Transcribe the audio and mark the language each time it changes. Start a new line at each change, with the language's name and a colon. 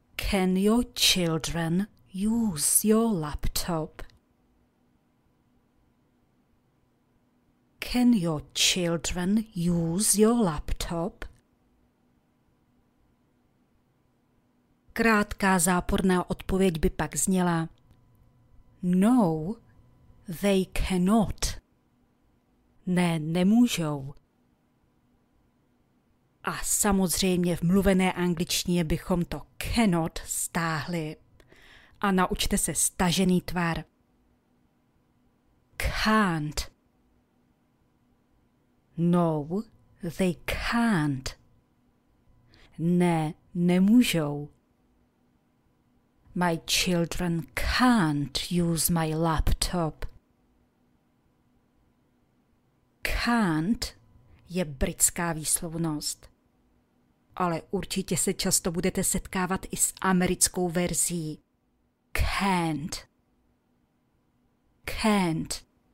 English: Can your children use your laptop? Can your children use your laptop?
Czech: Krátká záporná odpověď by pak zněla:
English: No, they cannot.
Czech: Ne, nemůžou. A samozřejmě v mluvené angličtině bychom to cannot stáhli. A naučte se stažený tvar. Can't.
English: No, they can't.
Czech: Ne, nemůžou.
English: My children can't use my laptop.
Czech: Can't je britská výslovnost. Ale určitě se často budete setkávat i s americkou verzí. Can't. Can't.